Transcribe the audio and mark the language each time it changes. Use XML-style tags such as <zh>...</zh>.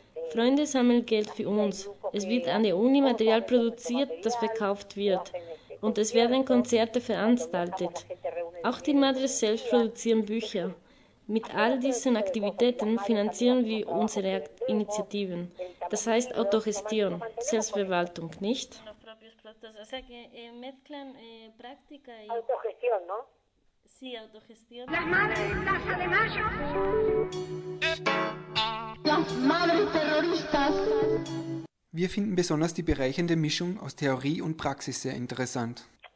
<de>Freunde sammeln Geld für uns. Es wird an der Uni Material produziert, das verkauft wird. Und es werden Konzerte veranstaltet. Auch die Madres selbst produzieren Bücher. Mit all diesen Aktivitäten finanzieren wir unsere Initiativen. Das heißt Autogestion, Selbstverwaltung, nicht?</de> <es>estos, o sea que mezclan práctica y autogestión, ¿no? Sí, autogestión. Las madres de Plaza de Mayo. Las madres terroristas.</es> <de>Wir finden besonders die bereichernde Mischung aus Theorie und Praxis sehr interessant.</de>